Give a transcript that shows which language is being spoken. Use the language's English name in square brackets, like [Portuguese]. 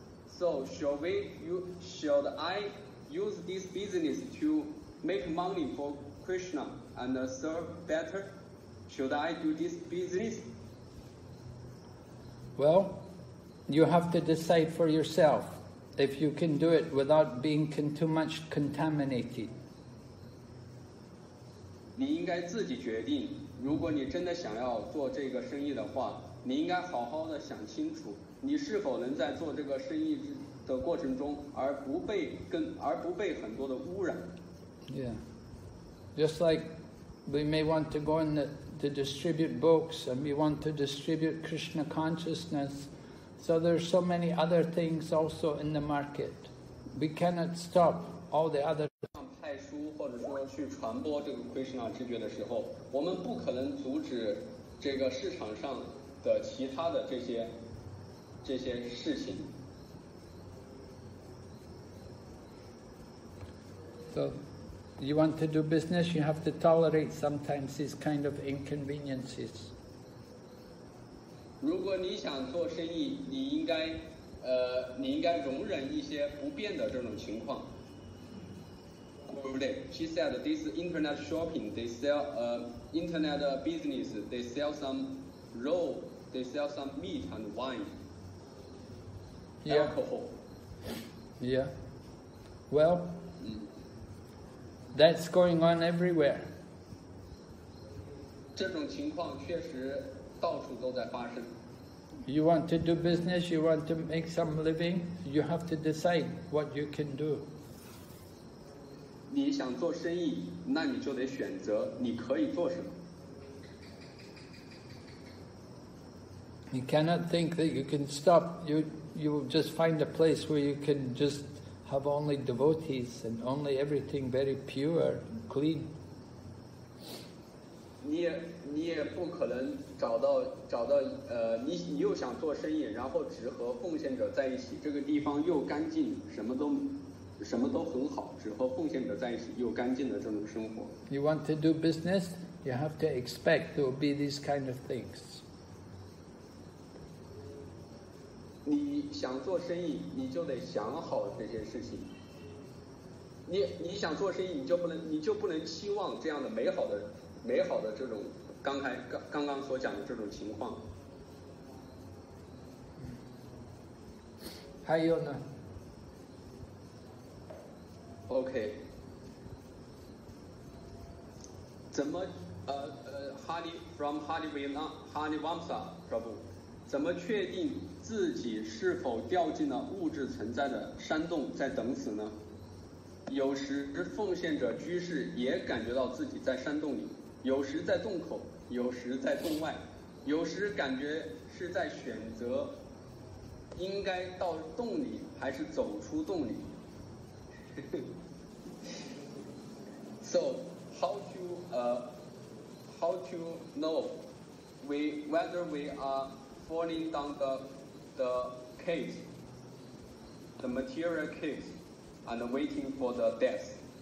[English] So should I use this business to make money for Krishna and serve better? Should I do this business? Well, you have to decide for yourself if you can do it without being too much contaminated. [Chinese] 你应该自己决定，如果你真的想要做这个生意的话，你应该好好的想清楚，你是否能在做这个生意的过程中而不被很多的污染。 [English] Yeah, just like we may want to go in to distribute books and we want to distribute Krishna consciousness, so there's so many other things also in the market. We cannot stop all the other. [Chinese] 派书或者说去传播这个 Krishna 知觉的时候，我们不可能阻止这个市场上的其他的这些事情。 [English] So, you want to do business, you have to tolerate sometimes these kind of inconveniences. [Chinese] 如果你想做生意，你应该容忍一些不便的这种情况。 [English] She said this internet shopping, they sell internet business, they sell some roll, they sell some meat and wine, yeah. Alcohol. Yeah. Well, that's going on everywhere. [Chinese] 这种情况确实到处都在发生。 [English] You want to do business, you want to make some living, you have to decide what you can do. [Chinese] 你想做生意，那你就得选择你可以做什么。 [English] You cannot think that you can stop. You will just find a place where you can just have only devotees and only everything very pure and clean. [Chinese] 你也不可能找到你又想做生意，然后只和奉献者在一起，这个地方又干净，什么都很好，只和奉献者在一起又干净的这种生活。 [English] You want to do business, you have to expect there will be these kind of things. [Chinese] 你想做生意，你就得想好这些事情。你想做生意，你就不能期望这样的美好的这种刚刚所讲的这种情况。还有呢？OK， 怎么Hari from Hari Vinay Hari Vamsa Prabhu， 怎么确定自己是否掉进了物质存在的山洞，在等死呢？有时奉献者居士也感觉到自己在山洞里，有时在洞口，有时在洞外，有时感觉是在选择应该到洞里还是走出洞里。 [English] So how to know whether we are falling down the cave, the material cave, and waiting for the death?